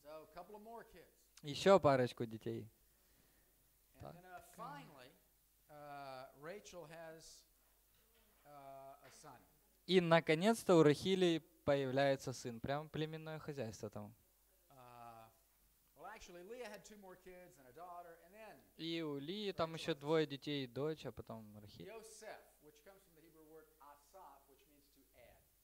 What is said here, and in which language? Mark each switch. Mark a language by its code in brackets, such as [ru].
[ru] So a couple of more kids. [en] Еще парочку детей. [ru] And then, finally, Rachel has, a son. [en] И наконец-то у Рахили появляется сын. Прямо племенное хозяйство там. Actually, Leah had two more kids and a daughter, and then. [ru] И у Лии там еще двое детей и дочь, а потом Рахиль. [en] Yosef, which comes from the Hebrew word asaf, which means to add.